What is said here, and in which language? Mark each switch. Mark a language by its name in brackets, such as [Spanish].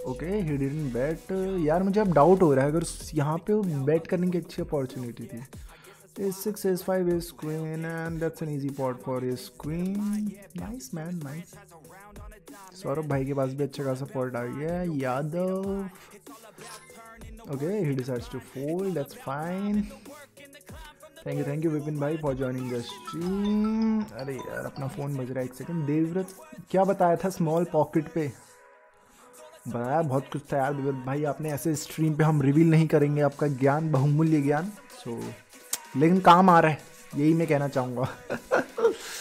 [English] okay he didn't bat, [Hindi] यार मुझे अब डाउट हो रहा है अगर यहाँ पे बैट करने की अच्छी अपॉर्चुनिटी थी। [English] A6, A5, A-Queen and that's an easy pot for A-Queen, nice man nice. [Hindi] Saurabh भाई के पास भी अच्छा खासा पॉट आ गया Yadav. [English] Okay, he decides to fold. That's fine. Thank you, Vipin bhai for joining the stream. [Hindi] अरे यार अपना फोन बज रहा है, एक सेकंड। देवव्रत क्या बताया था स्मॉल पॉकेट पे, बताया बहुत कुछ था यार देवव्रत भाई, आपने ऐसे स्ट्रीम पे हम रिवील नहीं करेंगे आपका ज्ञान, बहुमूल्य ज्ञान। सो लेकिन काम आ रहा है यही मैं कहना चाहूँगा।